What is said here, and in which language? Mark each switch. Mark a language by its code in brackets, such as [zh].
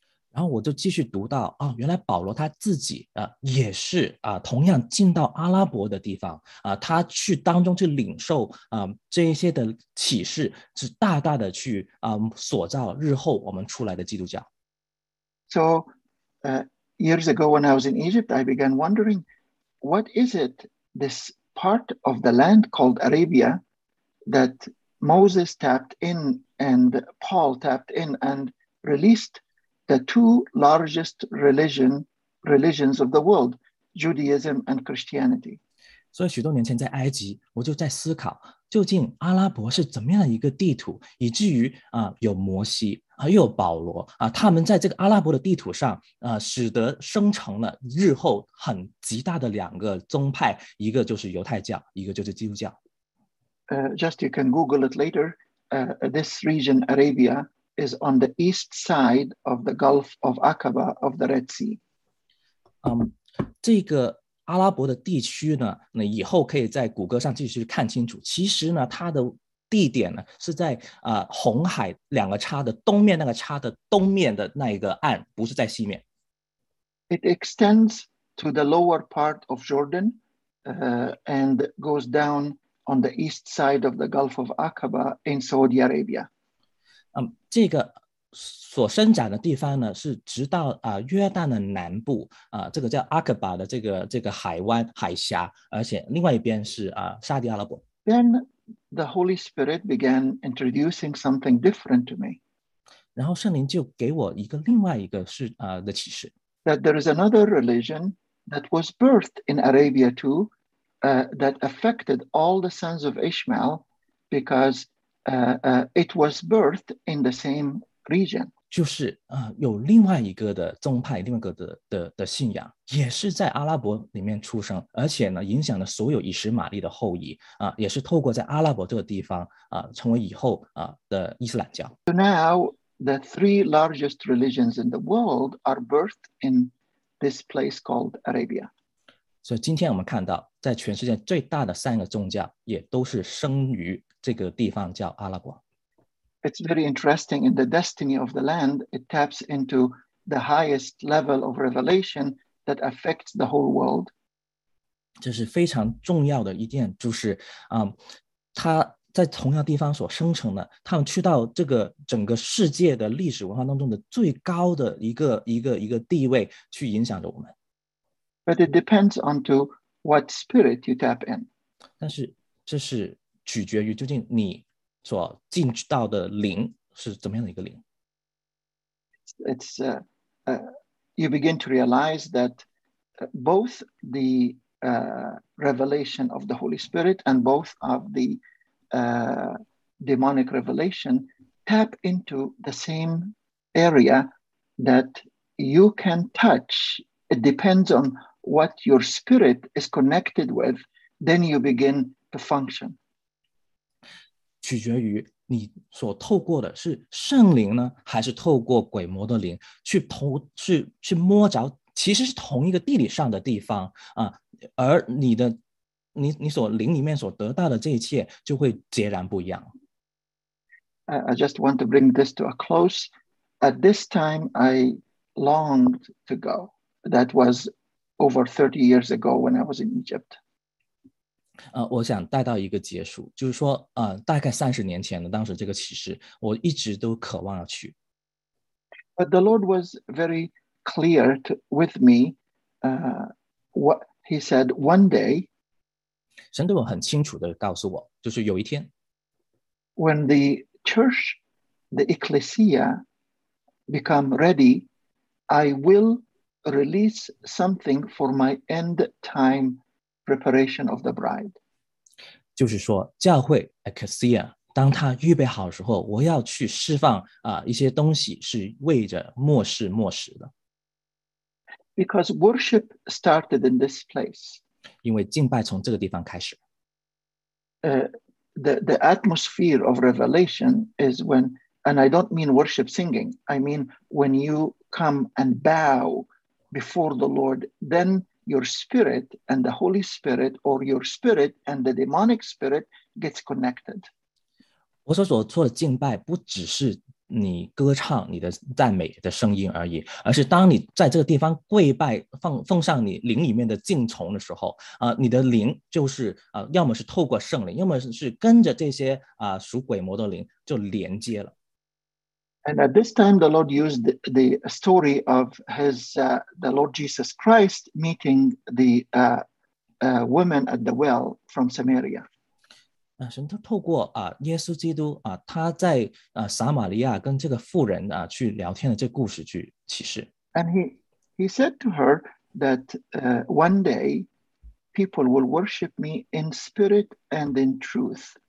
[zh] 然后我就继续读到原来保罗他自己也是同样进到阿拉伯的地方他去当中去领受这些的启示，是大大的去塑造日后我们出来的基督教。 [en] So years ago when I was in Egypt, I began wondering what is itThis part of the land called Arabia that Moses tapped in and Paul tapped in and released the two largest religions of the world, Judaism and Christianity. [zh] 所以许多年前在埃及，我就在思考，究竟阿拉伯是怎么样的一个地图，以至于有摩西，又有保罗他们在这个阿拉伯的地图上使得生成了日后很极大的两个宗派，一个就是犹太教，一个就是基督教。 [en] Just you can Google it later. This region, Arabia, is on the east side of the Gulf of Aqaba of the Red Sea. [zh] 这个阿拉伯的地区呢，那以后可以在谷歌上继续看清楚。其实呢，它的地点呢是在红海两个叉的东面，那个叉的东面的那一个岸，不是在西面。 [en] It extends to the lower part of Jordan, and goes down on the east side of the Gulf of Aqaba in Saudi Arabia. [zh] 这个所伸展的地方呢，是直到约旦的南部这个叫阿克巴的这个海湾海峡，而且另外一边是沙地阿拉伯。 [en] Then the Holy Spirit began introducing something different to me. [zh] 然后圣灵就给我一个另外一个是的启示。 [en] That there is another religion that was birthed in Arabia too, that affected all the sons of Ishmael because it was birthed in the same region. [zh] 就是有另外一个的宗派，另外一个的信仰，也是在阿拉伯里面出生，而且呢，影响了所有以实玛利的后裔也是透过在阿拉伯这个地方成为以后的伊斯兰教。 [en] So now the three largest religions in the world are birthed in this place called Arabia. [zh] 所以今天我们看到，在全世界最大的三个宗教也都是生于这个地方叫阿拉伯。 [en] It's very interesting in the destiny of the land. It taps into the highest level of revelation that affects the whole world. [zh] 这是非常重要的一点，就是他在同样地方所生成的，他们去到这个整个世界的历史文化当中的最高的一个地位，去影响着我们。 [en] But it depends on to what spirit you tap in. [zh] 但是这是取决于究竟你所进去到的灵是怎么样的一个灵。 [en] It's you begin to realize that both the revelation of the Holy Spirit and both of the demonic revelation tap into the same area that you can touch. It depends on what your spirit is connected with, then you begin to function. [zh] 取决于你所透过的是圣灵呢，还是透过鬼魔的灵去摸着，其实是同一个地理上的地方而你的你所灵里面所得到的这一切就会截然不一样。 [en] I just want to bring this to a close. At this time, I longed to go. That was over 30 years ago when I was in Egypt. [zh] 我想带到一个结束，就是说大概30年前的当时这个启示，我一直都渴望要去。 [en] But the Lord was very clear with me. What he said one day, [zh] 神对我很清楚地告诉我，就是有一天 [en] When the church, the ecclesia become ready, I will release something for my end time preparation of the bride. [zh] 就是说教会 ecclesia 当他预备好的时候，我要去释放一些东西是为着末世末时的。 [en] Because worship started in this place. [zh] 因为敬拜从这个地方开始。 [en] The atmosphere of revelation is when, and I don't mean worship singing, I mean when you come and bow before the Lord, then your spirit and the Holy Spirit, or your spirit and the demonic spirit gets connected. [zh] 我所做的敬拜不只是你歌唱你的赞美的声音而已，而是当你在这个地方跪拜奉上你灵里面的敬虫的时候你的灵就是要么是透过圣灵，要么是跟着这些属鬼魔的灵就连接了。 [en] And at this time the Lord used the story of his the Lord Jesus Christ meeting the woman at the well from Samaria. [zh] 神都透过耶稣基督他在撒玛利亚跟这个妇人去聊天的这故事去启示。 [en] And he said to her that one day people will worship me in spirit and in truth.